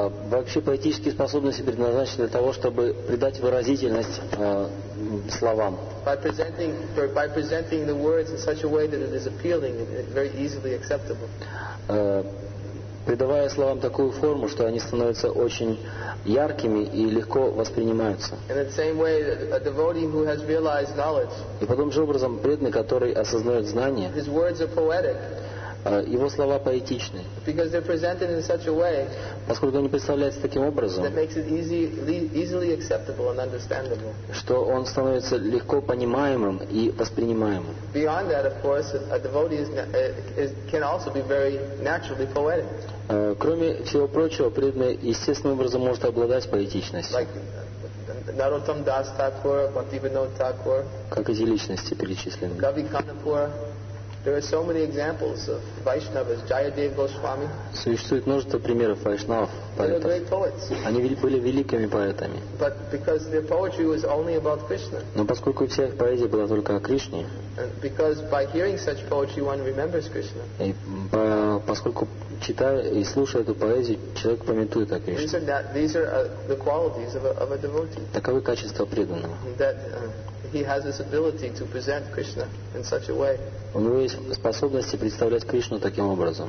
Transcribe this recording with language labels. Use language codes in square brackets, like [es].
[ru] Вообще поэтические способности предназначены для того, чтобы придать выразительность словам. [en] By presenting the words in such a way that it is appealing and very easily acceptable. [ru] Придавая словам такую форму, что они становятся очень яркими и легко воспринимаются. [en] In the same way, a devotee who has realized knowledge. [ru] И потом же образом преданный, который осознает знание. [en] His words are poetic. [ru] Его слова поэтичны. [en] Because they're presented in such a way, [ru] поскольку они представляются таким образом, [en] that makes it easily acceptable and understandable. [ru] Что он становится легко понимаемым и воспринимаемым. [en] Beyond that, of course, a devotee can also be very naturally poetic. [ru] Кроме всего прочего, преданный естественным образом может обладать поэтичностью. [en] Like Narottam Das Thakur, Bhaktivinod Thakur. [ru] Как эти личности перечислены? Gavi Kanapur. [en] There are so many examples of Vaishnavas, Jayadev Goswami. [ru] Существует множество примеров Вайшнав поэтов. [en] They were great poets. [ru] Они были великими поэтами. [en] But because their poetry was only about Krishna. [ru] Но поскольку вся их поэзия была только о Кришне. [en] And because by hearing such poetry, one remembers Krishna. [ru] И поскольку читая и слушая эту поэзию, человек памятует о Кришне. [en] These are the qualities of a devotee. [ru] Таковы качества преданного. [en] He has this ability to present Krishna in such a way. [ru] У него есть способность представлять Кришну таким образом.